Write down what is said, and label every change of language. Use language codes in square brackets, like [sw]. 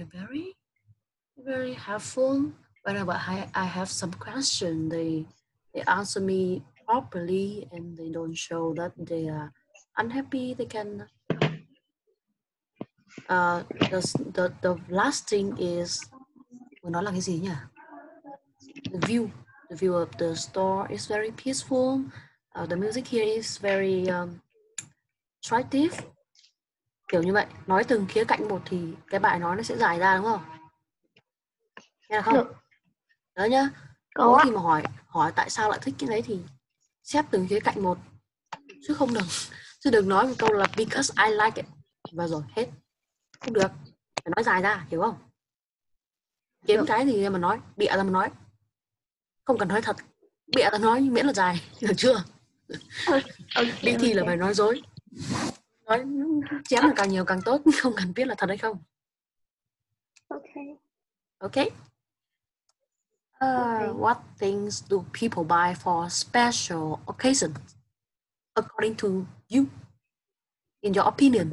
[en] They are very helpful. Whenever I have some question, they answer me properly and they don't show that they are unhappy. They can the last thing is [vi] nói là cái gì nhỉ? [en] The view of the store is very peaceful. The music here is very attractive. [vi] Kiểu như vậy, nói từng khía cạnh một thì cái bài nói nó sẽ dài ra đúng không? Nghe không? Đó nhá. Có thì mà hỏi tại sao lại thích cái đấy thì xếp từng khía cạnh một. Chứ đừng nói một câu là [en] because I like it. [vi] Và rồi hết. Không được. Phải nói dài ra, hiểu không? Kiếm được. Cái gì mà nói, bịa ra mà nói. Không cần nói thật. Bịa ra nói miễn là dài, hiểu chưa? Đi thi là phải nói dối. Nói chém là càng nhiều càng tốt, không cần biết là thật hay không. [en] Okay. What things do people buy for special occasions, according to you, in your opinion?